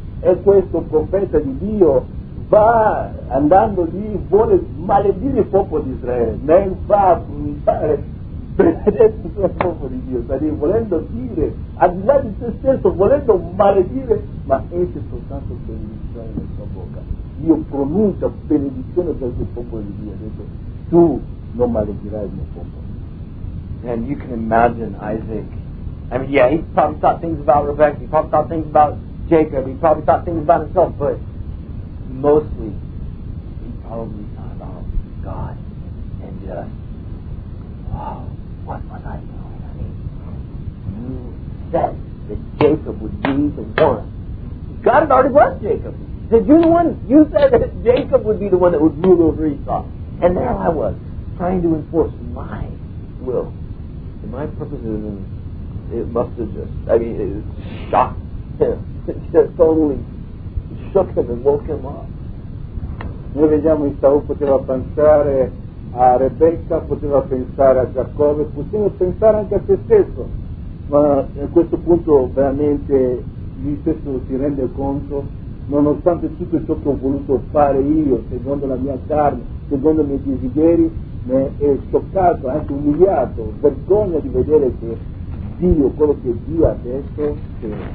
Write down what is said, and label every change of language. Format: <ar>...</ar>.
<it>E questo profeta di Dio va andando lì, vuole maledire il popolo di Israele, ne va a pronunciare benedetto il popolo di Dio, sta lì volendo dire, al di là di se stesso, volendo maledire, ma esce soltanto benedizione nella sua bocca. Dio pronuncia benedizione per il popolo di Dio, ha detto, tu non maledirai il mio popolo.</it> <en>And you can imagine Isaac. I mean, yeah, he probably thought things about Rebecca, he probably thought things about Jacob, he probably thought things about himself, but mostly he probably thought about God and just, wow, what was I doing? I mean, you said that Jacob would be the one. God had already blessed Jacob. Said you're the one, you said that Jacob would be the one that would rule over Esau. And there I was, trying to enforce my will. And my purpose is in, it must have just, I mean, it shocked him. Just totally shook him and woke him up.</en> <it>Noi vediamo Esau poteva pensare a Rebecca, poteva pensare a Giacobbe, poteva pensare anche a se stesso, ma a questo punto veramente lui stesso si rende conto, nonostante tutto ciò che ho voluto fare io, secondo la mia carne, secondo i miei desideri, mi è scioccato, anche umiliato, vergogna di vedere che Dio, quello che Dio ha detto, che</it>